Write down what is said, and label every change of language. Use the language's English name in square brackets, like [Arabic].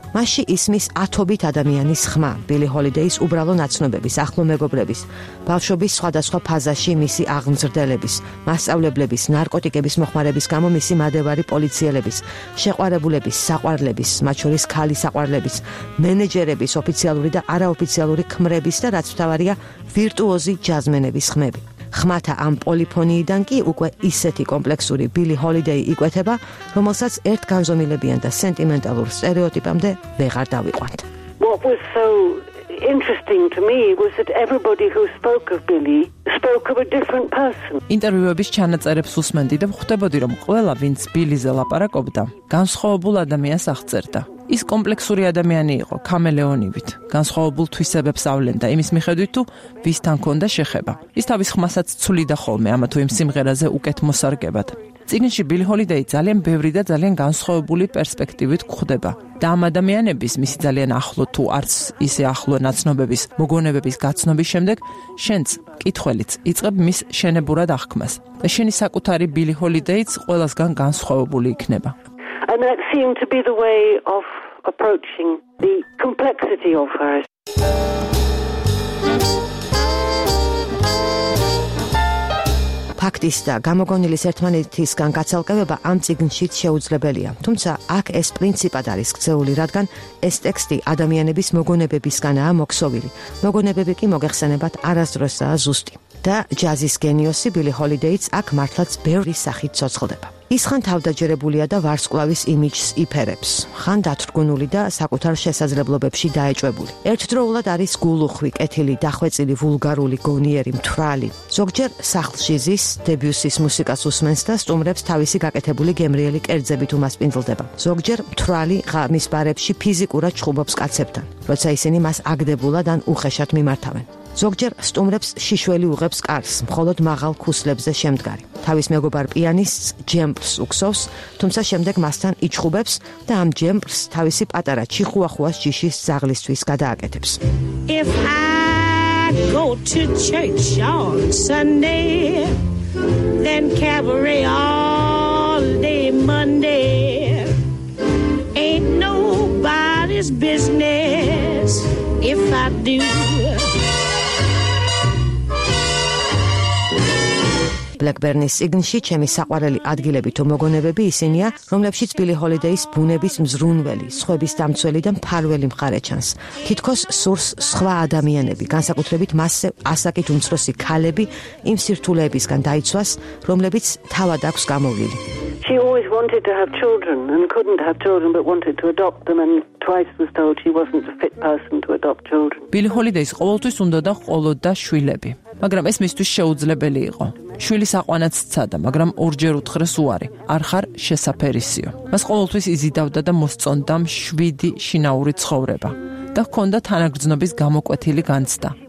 [Georgian] მასში ისმის ათობით ადამიანის ხმა, ბილი ჰოლიდეის უბრალო ნაცნობების, ახლო მეგობრების, ბავშვობის სხვადასხვა ფაზაში მისი აღმზრდელების, მასწავლებლების, ნარკოტიკების მოხმარების გამო მისი მადევარი პოლიციელების, შეყვარებულების, საყვარლების, მათ შორის ქალი საყვარლების, მენეჯერების ოფიციალური და არაოფიციალური ხმების და რაც მთავარია ვირტუოზი ჯაზმენების ხმები. ხმათა ამ პოლიფონიიდან კი უკვე ისეთი კომპლექსური ბილი ჰოლიდეი იკვეთება, რომელსაც ერთ განზომილებიან და სენტიმენტალურ სტერეოტიპამდე ვეღარ დავიყვანთ. [English] What was so interesting to me was that everybody who spoke of Billy spoke of a different person. [Georgian] ინტერვიუების ჩანაწერებს უსმენდი და ხვდებოდი, რომ ყველა, ვინც ბილიზე ლაპარაკობდა, განსხვავებულ ადამიანს აღწერდა. ის კომპლექსური ადამიანი იყო, ქამელეონივით. განსხვავებულ თვისებებს ავლენდა იმის მიხედვით, თუ ვისთან ჰქონდა შეხება. ის თავის ხმასაც ცვლიდა ხოლმე, ამა თუ იმ სიმღერაზე უკეთ მოსარგებად. წიგნში ბილი ჰოლიდეი ძალიან ბევრი და ძალიან განსხვავებული პერსპექტივით გვხვდება. და ამ ადამიანების, მისი ძალიან ახლო თუ არც ისე ახლო ნაცნობების მოგონებების გაცნობის შემდეგ, შენც კითხველიც იწყებ მის შენებურად აღქმას. და შენი საკუთარი ბილი ჰოლიდეიც ყველასგან განსხვავებული იქნება. [English] And that seemed to be the way of approaching the complexity of her. [Georgian] ფაქტის და გამოგონილის ერთმანეთისგან გაცალკევება ამ წიგნში შეუძლებელია. თუმცა აქ ეს პრინციპად არის ქცეული, რადგან ეს ტექსტი ადამიანების მოგონებებისგანაა მოქსოვილი. მოგონებები კი მოგეხსენებათ არასდროსაა ზუსტი. და ჯაზის გენიოსი ბილი ჰოლიდეიც აქ მართლაც ბევრი სახით ცოცხლდება. ის ხან თავდაჯერებულია და ვარსკვლავის იმიჯს იფერებს, ხან დათრგუნული და საკუთარ შესაძლებლობებში დაეჭვებული. ერთდროულად არის გულუხვი, კეთილი, დახვეწილი, ვულგარული, გონიერი, მთვრალი. ზოგჯერ სახლში ზის, დებიუსის მუსიკას უსმენს და სტუმრებს თავისი გაკეთებული გემრიელი კერძებით უმასპინძლდება. ზოგჯერ მთვრალი ღამის ბარებში ფიზიკურად ჩხუბობს კაცებთან, როცა ისინი მას აგდებულად ან უხეშად მიმართავენ. ზოგჯერ სტუმრებს შიშველი უღებს კარს, მხოლოდ მაღალ ქუსლებზე შემდგარი. თავის მეგობარ პიანისტს ჯემპს უქსოვს, თუმცა შემდეგ მასთან იჩხუბებს და ამ ჯემპს თავისი პატარა ჩიხუახუას ჯიშის ზაღლისთვის გადააკეთებს. [English] If I go to church on Sunday, then cabaret all day Monday. Ain't nobody's business if I do. [Georgian] Blackburnის სიგნში ჩემი საყვარელი ადგილები თუ მოგონებები ისინია, რომლებშიც ბილი ჰოლიდეის ბუნების მზრუნველი, სხვების დამცველი და მფარველი მხარე ჩანს. თითქოს სურს სხვა ადამიანები, განსაკუთრებით მასზე ასაკით უმცროსი ქალები იმ სირთულეებისგან დაიცვას, რომლებიც თავად აქვს გამოვლილი. [English] She always wanted to have children and couldn't have children but wanted to adopt them and twice was told she wasn't a fit person to adopt children. [Georgian] ბილი ჰოლიდეის ყოველთვის უნდა და ყოლოდა შვილები, მაგრამ ეს მისთვის შეუძლებელი იყო. შვილის აყვანაც სცადა, მაგრამ ორჯერ უთხრეს უარი, არ ხარ შესაფერისიო. მას ყოველთვის იზიდავდა და მოსწონდა მშვიდი შინაური ცხოვრება და ჰქონდა თანაგრძნობის გამოკვეთილი განცდა.